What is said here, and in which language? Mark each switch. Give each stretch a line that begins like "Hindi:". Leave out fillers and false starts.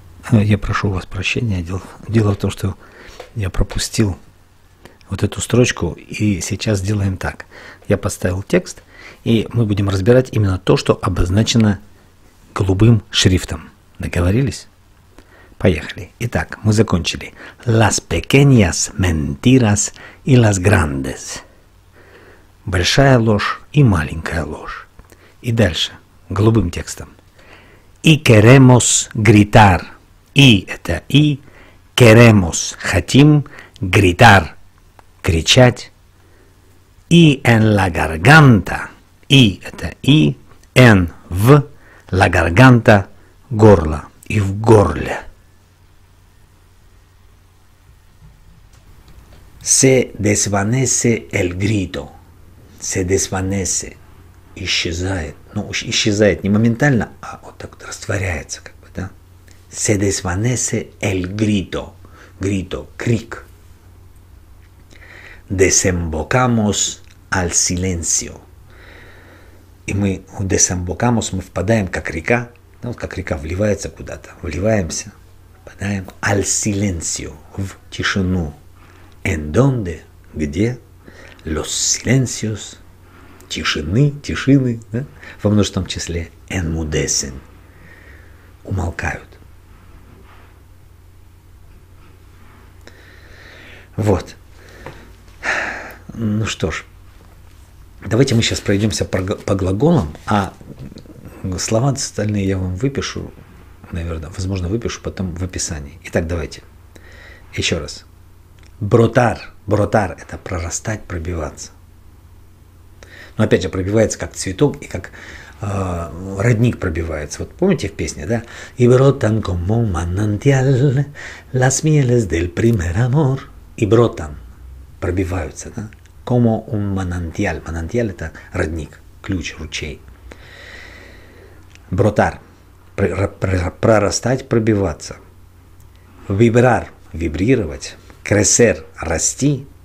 Russian: Я прошу у вас прощения, дело в том, что я пропустил вот эту строчку, и сейчас сделаем так. Я поставил текст, и мы будем разбирать именно то, что обозначено голубым шрифтом. Договорились? Поехали. Итак, мы закончили.
Spanish: Las pequeñas mentiras y las grandes.
Russian: Большая ложь и маленькая ложь. И дальше, голубым текстом.
Spanish: Y queremos gritar.
Russian: И это и.
Spanish: Queremos,
Russian: хотим,
Spanish: gritar,
Russian: кричать.
Spanish: И en la garganta.
Russian: И это и, н в,
Spanish: la garganta,
Russian: горло, и в горле.
Spanish: Se desvanece el grito,
Russian: se desvanece, исчезает, ну, исчезает не моментально, а вот так вот растворяется, как бы, да?
Spanish: Se desvanece el grito, grito, крик. Desembocamos al silencio.
Russian: И мы desembocamos, мы впадаем, как река, ну, вот как река вливается куда-то, вливаемся, впадаем
Spanish: al silencio,
Russian: в тишину. En donde, где,
Spanish: los silencios,
Russian: тишины, тишины, да, во множественном числе, enmudecen, умолкают. Вот. Ну что ж. Давайте мы сейчас пройдемся по глаголам, а слова остальные я вам выпишу, наверное, возможно, выпишу потом в описании. Итак, давайте. Еще раз. Brotar. Brotar – это прорастать, пробиваться. Но опять же, пробивается как цветок и как родник пробивается. Вот помните в песне, да? И
Spanish: brotan como manantial las mieles del primer amor.
Russian: И brotan – пробиваются, да?
Spanish: Como un manantial.
Russian: Manantial – это родник, ключ, ручей. Brotar – прорастать, пробиваться. Vibrar – вибрировать. Crecer – расти.